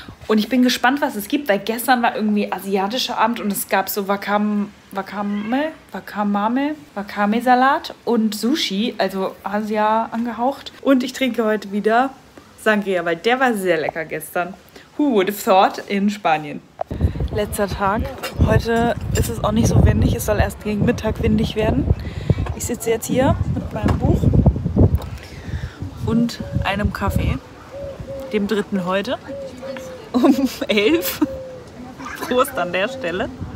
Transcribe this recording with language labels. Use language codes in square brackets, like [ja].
[de] Und ich bin gespannt, was es gibt, weil gestern war irgendwie asiatischer Abend und es gab so Wakame-Salat und Sushi, also Asia angehaucht. Und ich trinke heute wieder Sangria, weil der war sehr lecker gestern. [en] Who would have thought in Spanien? [de] Letzter Tag. Heute ist es auch nicht so windig. Es soll erst gegen Mittag windig werden. Ich sitze jetzt hier mit meinem Buch und einem Kaffee. Dem dritten heute. Um 11. Prost an der Stelle.